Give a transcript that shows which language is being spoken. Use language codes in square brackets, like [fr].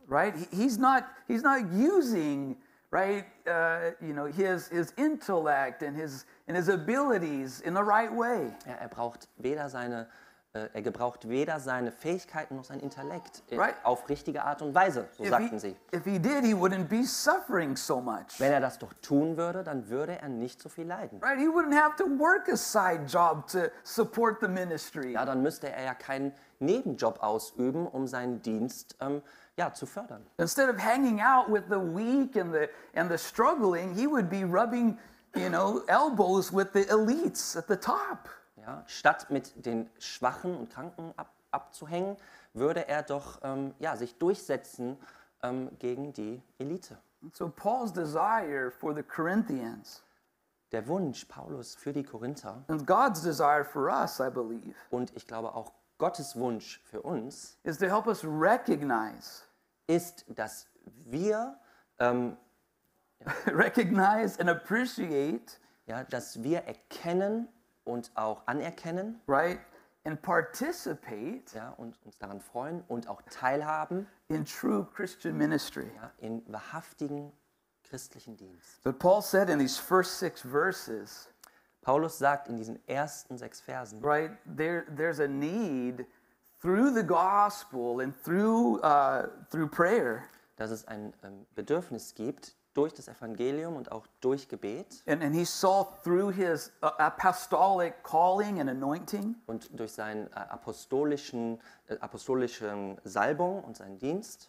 [en] Right, he's not using, right, his intellect and his abilities in the right way. [de] Ja, er braucht weder seine Er gebraucht weder seine Fähigkeiten noch sein Intellekt auf richtige Art und Weise, so sagten sie. [en] If he did, he wouldn't be suffering so much. [de] Wenn er das doch tun würde, dann würde er nicht so viel leiden. [en] Right, he wouldn't have to work a side job to support the ministry. [de] Ja, dann müsste er ja keinen Nebenjob ausüben, um seinen Dienst zu fördern. [en] Instead of hanging out with the weak and the struggling, he would be rubbing, you know, elbows with the elites at the top. [de] Ja, statt mit den Schwachen und Kranken abzuhängen, würde er doch sich durchsetzen gegen die Elite. [en] So Paul's desire for the Corinthians, [de] der Wunsch Paulus für die Korinther, [en] and God's desire for us, I believe, [de] und ich glaube auch Gottes Wunsch für uns, [en] is to help us recognize, [de] ist, dass wir [en] recognize and appreciate, [de] ja, dass wir erkennen und auch anerkennen, [en] right, and participate, [de] ja, und uns daran freuen und auch teilhaben [en] in true Christian ministry, [de] ja, in wahrhaftigen christlichen Dienst. [en] But Paul said in these first six verses, [de] Paulus sagt in diesen ersten sechs Versen, [en] right, there's a need through the gospel and through prayer, [de] dass es ein Bedürfnis gibt durch das Evangelium und auch durch Gebet. [en] And he saw through his apostolic calling and anointing, [de] und durch seinen apostolischen Salbung und seinen Dienst,